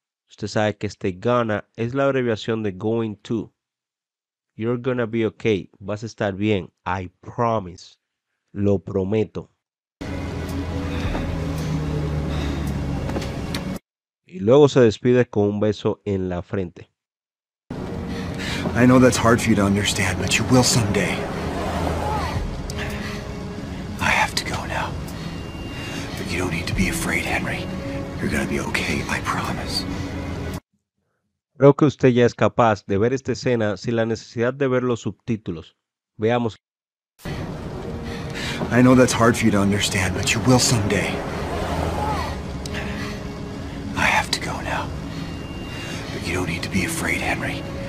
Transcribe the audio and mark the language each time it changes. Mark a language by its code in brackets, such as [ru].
[es] Usted sabe que este gonna es la abreviación de going to. [en] You're gonna be okay. [es] Vas a estar bien. [en] I promise. [es] Lo prometo. Y luego se despide con un beso en la frente. [en] I know that's hard for you to understand, but you will someday. I have to go now. But you don't need to be afraid, Henry. You're gonna be okay, I promise. [es] Creo que usted ya es capaz de ver esta escena sin la necesidad de ver los subtítulos. Veamos. [en] I know that's hard for you to understand, but you will someday. I have to go now. But you don't need to be afraid, Henry.